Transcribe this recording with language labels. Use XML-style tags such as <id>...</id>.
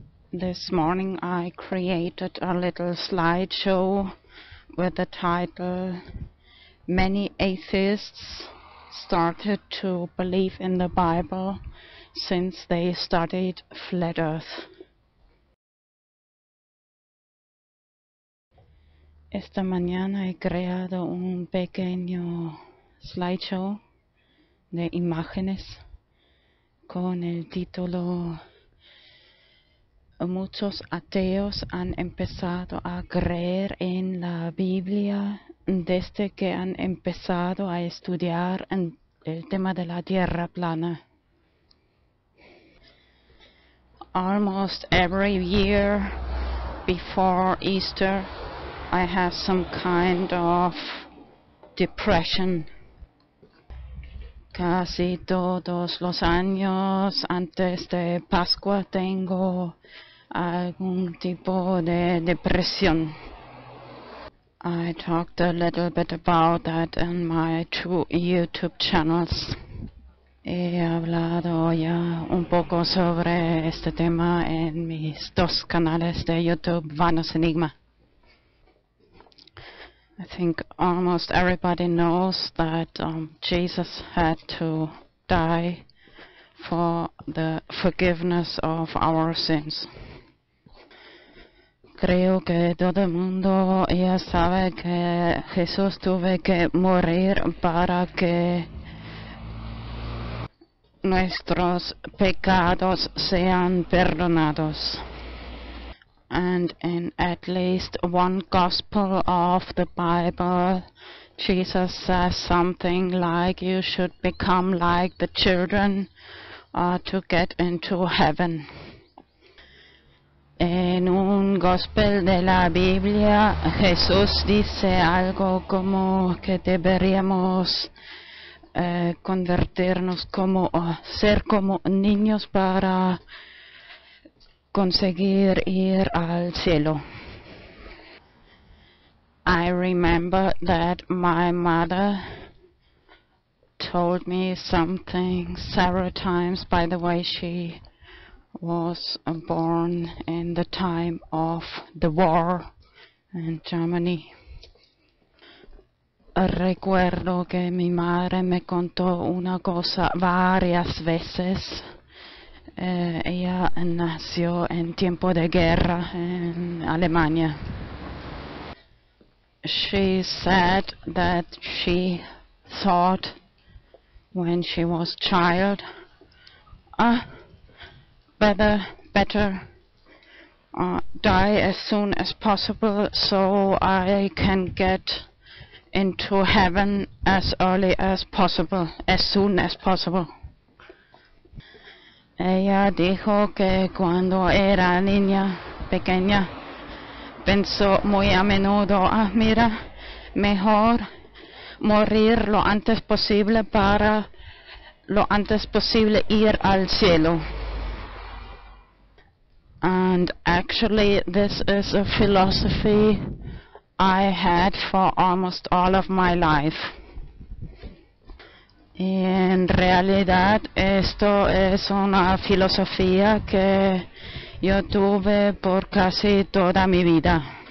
<en>This morning I created a little slideshow with the title Many Atheists Started to Believe in the Bible Since They Studied Flat Earth.</en> <es>Esta mañana he creado un pequeño slideshow de imágenes con el título Muchos ateos han empezado a creer en la Biblia desde que han empezado a estudiar el tema de la tierra plana.</es> <en>Almost every year before Easter, I have some kind of depression.</en> <es>Casi todos los años antes de Pascua tengo algún tipo de depresión.</es> <en>I talked a little bit about that in my two YouTube channels.</en> <es>He hablado ya un poco sobre este tema en mis dos canales de YouTube, VanosEnigmA.</es> <en>I think almost everybody knows that Jesus had to die for the forgiveness of our sins.</en> <es>Creo que todo el mundo ya sabe que Jesús tuvo que morir para que nuestros pecados sean perdonados.</es> <en>And in at least one gospel of the Bible, Jesus says something like, you should become like the children to get into heaven.</en> <es>En un gospel de la Biblia, Jesús dice algo como que deberíamos convertirnos como ser como niños para conseguir ir al cielo.</es> <en>I remember that my mother told me something several times, by the way, she was born in the time of the war in Germany.</en> <es>Recuerdo que mi madre me contó una cosa varias veces. Ella nació en tiempo de guerra en Alemania.</es> <en>She said that she thought when she was a child, better die as soon as possible so I can get into heaven as early as possible, as soon as possible.</en> <es>Ella dijo que cuando era niña pequeña pensó muy a menudo, mira, mejor morir lo antes posible para lo antes posible ir al cielo.</es> <en>And actually, this is a philosophy I had for almost all of my life.</en> <es>Y en realidad, esto es una filosofía que yo tuve por casi toda mi vida.</es>